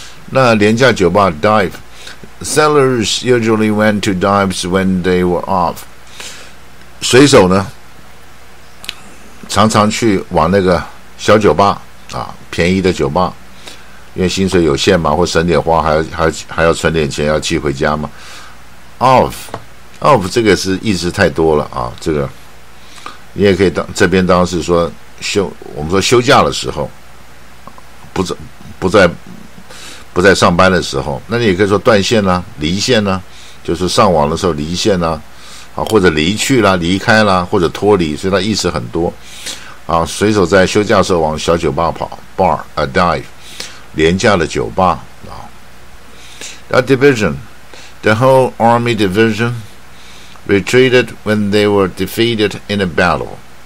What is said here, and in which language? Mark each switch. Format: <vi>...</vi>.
<zh>那廉价酒吧</zh> <en>dive， sailors usually went to dives when they were off。</en> <zh>水手呢常常去往那个小酒吧啊，便宜的酒吧，因为薪水有限嘛，或省点花，还要存点钱要寄回家嘛。 off 这个是意思太多了啊，这个你也可以当这边当时说我们说休假的时候，不在上班的时候，那你也可以说断线啦、离线啦，就是上网的时候离线啦，啊，或者离去啦、离开啦，或者脱离，所以它意思很多，啊，随手在休假的时候往小酒吧跑 ，</zh> <en>bar a dive，</en> <zh>廉价的酒吧啊。</zh> <en>That division, the whole army division, retreated when they were defeated in a battle。</en>